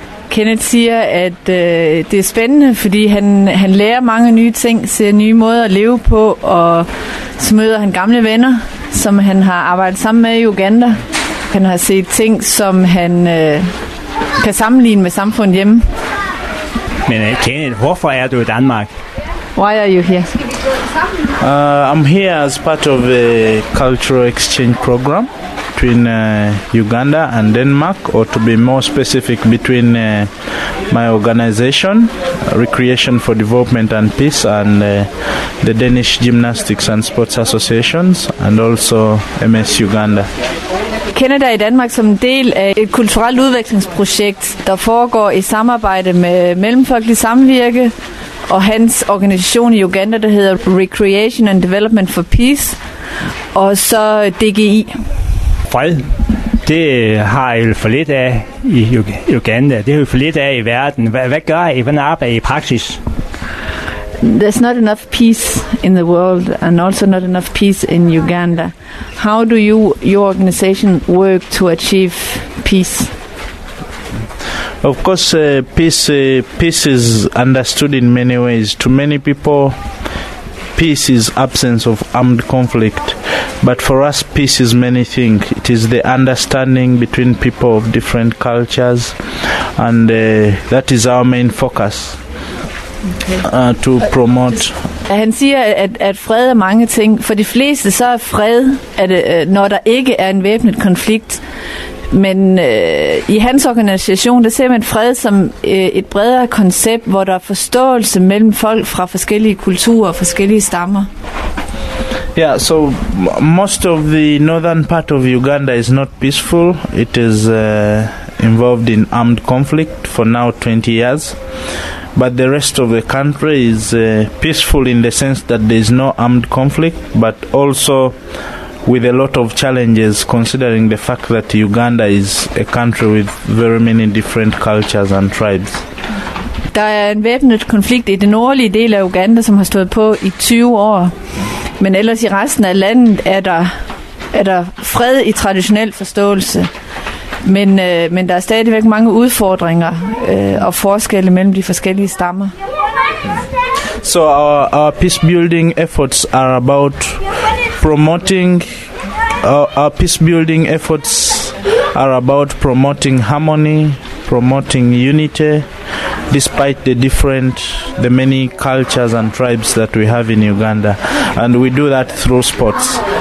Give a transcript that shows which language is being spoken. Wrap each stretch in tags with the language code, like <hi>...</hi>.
<da>Kenneth siger, at det er spændende, fordi han lærer mange nye ting, ser nye måder at leve på, og så møder han gamle venner, som han har arbejdet sammen med i Uganda. Han har set ting, som han kan sammenligne med samfundet hjemme. Men Kenneth, hvorfor er du i Danmark?</da> <en>Why are you here? I'm here as part of a cultural exchange program between Uganda and Denmark, or to be more specific, between my organization, Recreation for Development and Peace, and the Danish Gymnastics and Sports Associations, and also MS Uganda.</en> <da>Kenneth er i Danmark som en del af et kulturelt udvekslingsprojekt, der foregår i samarbejde med Mellemfolkeligt Samvirke og hans organisation i Uganda, der hedder Recreation and Development for Peace, og så DGI. Fred, det har I for lidt af i Uganda. Det har I for lidt af i verden. Hvad gør I? Hvordan arbejder I i praksis?</da> <en>There's not enough peace in the world, and also not enough peace in Uganda. How do you, your organization, work to achieve peace? Of course, peace is understood in many ways. To many people, peace is absence of armed conflict. But for us, peace is many things. It is the understanding between people of different cultures, and that is our main focus. Okay. To promote.</en> <da>Han siger, at fred er mange ting. For de fleste så er fred, at, når der ikke er en væbnet konflikt. Men i hans organisation, der ser man fred som et bredere koncept, hvor der er forståelse mellem folk fra forskellige kulturer og forskellige stammer.</da> <en>Yeah, so most of the northern part of Uganda is not peaceful. It is involved in armed conflict for now 20 years. But the rest of the country is peaceful in the sense that there is no armed conflict, but also with a lot of challenges, considering the fact that Uganda is a country with very many different cultures and tribes.</en> <da>Der er en væbnet konflikt i den nordlige del af Uganda, som har stået på i 20 år. Men ellers i resten af landet er der fred i traditionel forståelse. Men der er stadigvæk mange udfordringer og forskelle mellem de forskellige stammer.</da> <en>So our peace building efforts are about promoting our peace building efforts are about promoting harmony, promoting unity despite the many cultures and tribes that we have in Uganda, and we do that through sports.</en>